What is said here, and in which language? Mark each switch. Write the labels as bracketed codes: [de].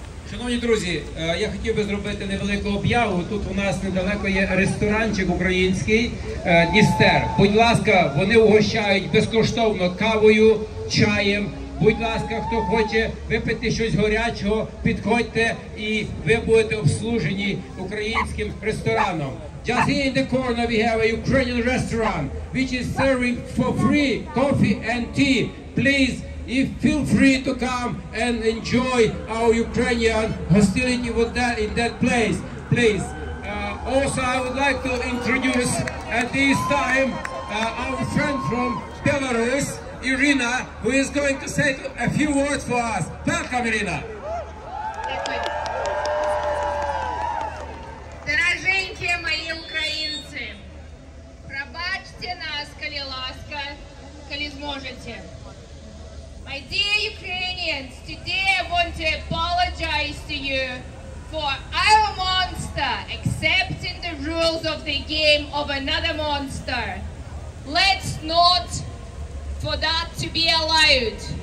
[uk] Шановні друзі, я хотів би зробити невелику об'яву. Тут у нас недалеко є ресторанчик український «Дністер». Будь ласка, вони угощають безкоштовно кавою, чаєм. Будь ласка, хто хоче випити щось гарячого, підходьте і ви будете обслужені українським рестораном. [en] Just here in the corner we have a Ukrainian restaurant which is serving for free coffee and tea. Please, if feel free to come and enjoy our Ukrainian hostility with that in that place. Please. Also, I would like to introduce at this time our friend from Belarus, Ірина, who is going to say a few words for us. Welcome, Ірина. [uk] Дороженькі мої українці, пробачте нас, коли ласка, коли зможете. [en] My dear Ukrainians, today I want to apologize to you for our monster accepting the rules of the game of another monster. Let's not for that to be allowed.